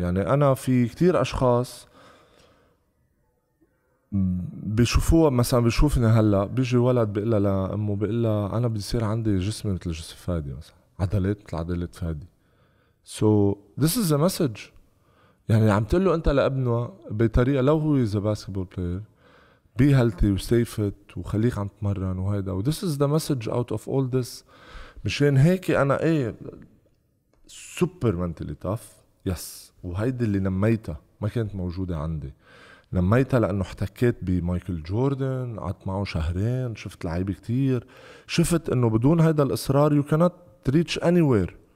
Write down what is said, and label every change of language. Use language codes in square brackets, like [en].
[ar] يعني انا في كتير اشخاص بيشوفوها مثلا بيشوفني هلا بيجي ولد بيقول لامه بيقول لها انا بدي يصير عندي جسم مثل جسم فادي مثلا, عضلات العضلات فادي. [en] So this is a message. [ar] يعني عم تقول له أنت لابنه بطريقة لو هو is a basketball player be healthy and stay fit وخليك عم تمرن وهيدا. [en] And this is the message out of all this. [ar] مشان هيك أنا super mentally tough. [en] Yes. [ar] وهيدا اللي نميتها ما كانت موجودة عندي. نميتها لأنه احتكيت بمايكل جوردن, قعدت معه شهرين, شفت لعيبة كتير, شفت أنه بدون هيدا الإصرار you cannot reach anywhere.